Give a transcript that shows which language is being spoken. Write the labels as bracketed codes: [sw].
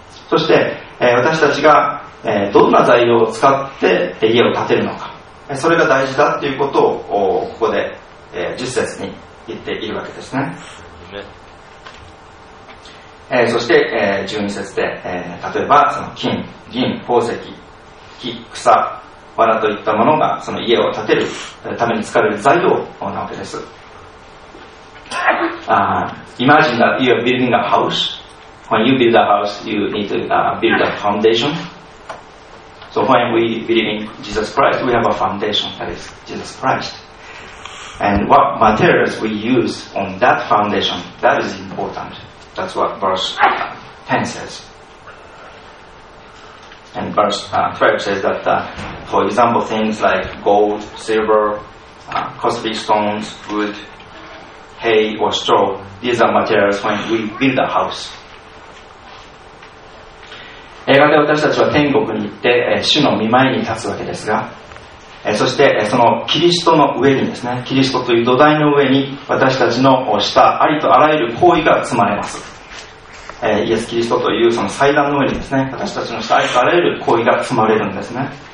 [ja] そして、私たちが、どんな材料を使って家を建てるのか、それが大事だということをここで、10節に言っているわけですね。そして、12節で、例えばその金、銀、宝石、木、草、藁といったものがその家を建てるために使われる材料なわけです。 [en] Imagine that you are building a house. When you build a house, you need to build a foundation. So when we believe in Jesus Christ, we have a foundation that is Jesus Christ. And what materials we use on that foundation, that is important. That's what verse 10 says. And verse 12 says that, for example, things like gold, silver, costly stones, wood, hay or straw, these are materials when we build a house. [ja] 映画で私たちは天国に行って、主の御前に立つわけですが、そして、そのキリストの上にですね、キリストという土台の上に私たちのしたありとあらゆる行為が積まれます。イエス・キリストというその祭壇の上にですね、私たちのしたありとあらゆる行為が積まれるんですね。